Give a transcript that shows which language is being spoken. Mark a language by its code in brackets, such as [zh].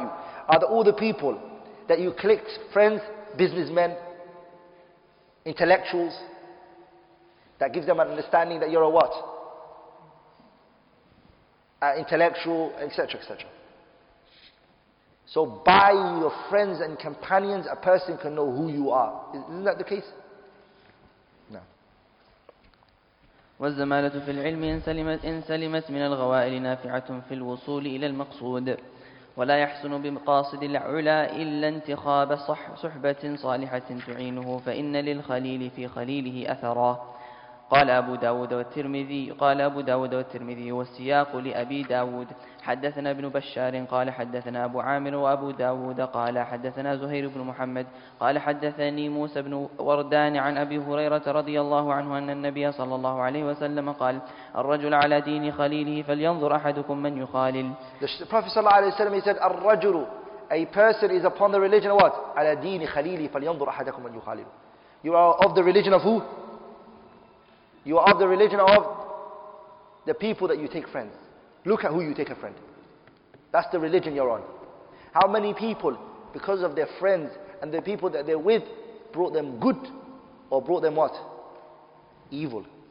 [en] Are all the people that you clicked friends, businessmen, intellectuals, that gives them an understanding that you're a what? Intellectual, etc., etc. So by your friends and companions, a person can know who you are. Isn't that the case? No. [ar] والزمالة في العلم إن سلمت من الغوائل نافعة في الوصول إلى المقصود ولا يحسن بمقاصد العلا إلا انتخاب صحبة صالحة تعينه فإن للخليل في خليله أثرا. قال أبو داود والترمذي والسياق لأبي داود حدثنا ابن بشار قال حدثنا أبو عامر وأبو داود قال حدثنا زهير بن محمد قال حدثني موسى بن وردان عن أبي هريرة رضي الله عنه أن النبي صلى الله عليه وسلم قال الرجل على دين خليله فلينظر أحدكم من يخالل. [en] The Prophet صلى الله عليه وسلم said الرجل, a person is upon the religion of what? [ar] على دين خليله فلينظر أحدكم من يخالل. [en] You are of the religion of who? You are of the religion of the people that you take friends. Look at who you take a friend. That's the religion you're on. How many people, because of their friends and the people that they're with, brought them good or brought them what? Evil.